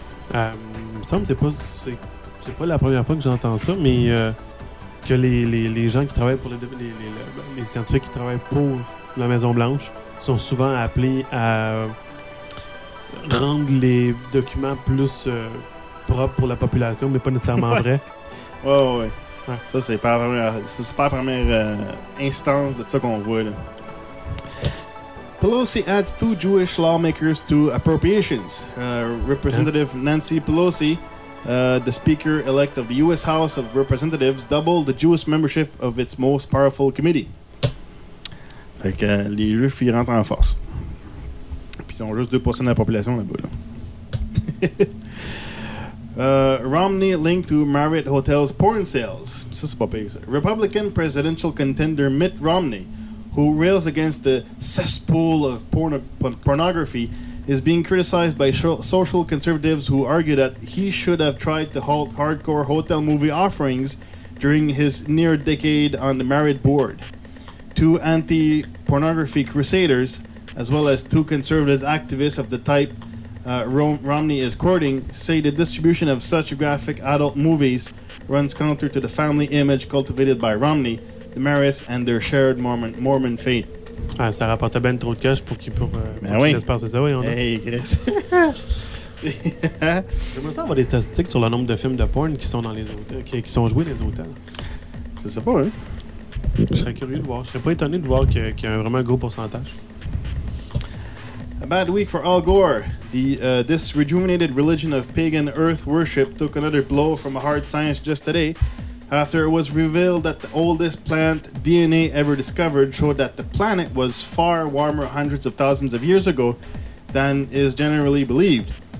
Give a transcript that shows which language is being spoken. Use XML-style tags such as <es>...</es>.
<fr>C'est pas la première fois que j'entends ça, mais que les gens qui travaillent pour les scientifiques qui travaillent pour la Maison Blanche sont souvent appelés à rendre les documents plus propres pour la population, mais pas nécessairement vrais. Ouais. Ouais. Ça, c'est pas la première instance de ça qu'on voit là.</fr> <en>Pelosi adds two Jewish lawmakers to appropriations. Representative Nancy Pelosi, the speaker-elect of the U.S. House of Representatives, doubled the Jewish membership of its most powerful committee.</en> <fr>Fait que les Juifs, ils rentrent en force. Puis ils ont juste 2% de la population là-bas. Là.</fr> <en>Romney linked to Marriott Hotel's porn sales.</en> <fr>Ça, c'est pas pire.</fr> <en>Republican presidential contender Mitt Romney, who rails against the cesspool of pornography, is being criticized by social conservatives who argue that he should have tried to halt hardcore hotel movie offerings during his near decade on the married board, two anti-pornography crusaders, as well as two conservative activists of the type Romney is courting, say the distribution of such graphic adult movies runs counter to the family image cultivated by Romney, the Maris, and their shared Mormon faith.</en> <fr>Ah, ça rapportait bien trop de cash pour qu'ils puissent se passer ça, oui.</fr> <en>Hey, Chris.</en> <fr>J'aimerais savoir des statistiques sur le nombre de films de porn qui sont dans les hôtels, qui sont joués dans les hôtels. Je sais pas, hein. Je serais curieux de voir. Je serais pas étonné de voir qu'il y a vraiment un gros pourcentage.</fr> <en>A bad week for Al Gore. This rejuvenated religion of pagan earth worship took another blow from a hard science just today after it was revealed that the oldest plant DNA ever discovered showed that the planet was far warmer hundreds of thousands of years ago than is generally believed.</en>